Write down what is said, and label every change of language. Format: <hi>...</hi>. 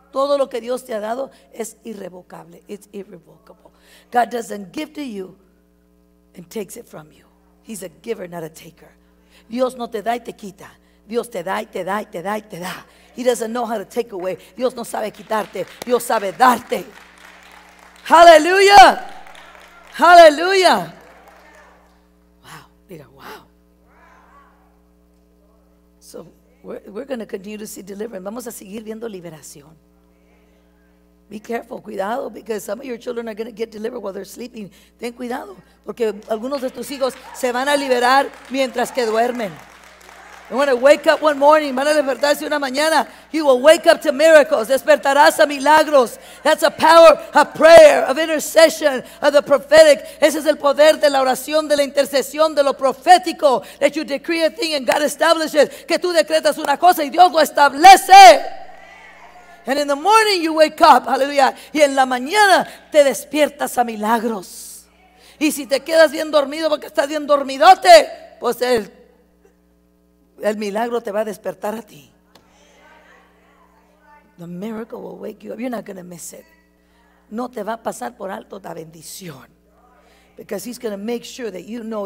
<es>Todo lo que Dios te ha dado es irrevocable.</es> <en>It's irrevocable. God doesn't give to you and takes it from you. He's a giver, not a taker.</en> <es>Dios no te da y te quita. Dios te da y te da y te da y te da.</es> <en>He doesn't know how to take away.</en> <es>Dios no sabe quitarte. Dios sabe darte. Hallelujah. Hallelujah. Wow. Mira, wow.</es> <en>So we're going to continue to see deliverance.</en> <es>Vamos a seguir viendo liberación.</es> <en>Be careful, cuidado, because some of your children are going to get delivered while they're sleeping.</en> <es>Ten cuidado, porque algunos de tus hijos se van a liberar mientras que duermen.</es> <en>They're going to wake up one morning,</en> <es>van a despertarse una mañana.</es> <en>You will wake up to miracles,</en> <es>despertarás a milagros.</es> <en>That's a power of prayer, of intercession, of the prophetic.</en> <es>Ese es el poder de la oración, de la intercesión, de lo profético.</es> <en>That you decree a thing and God establishes.</en> <es>Que tú decretas una cosa y Dios lo establece.</es> <en>And in the morning you wake up,</en> <es>hallelujah. Y en la mañana te despiertas a milagros. Y si te quedas bien dormido porque estás bien dormidote, pues el milagro te va a despertar a ti.</es> <en>The miracle will wake you up. You're not going to miss it.</en> <es>No te va a pasar por alto la bendición.</es> <en>Because he's going to make sure that you know.</en>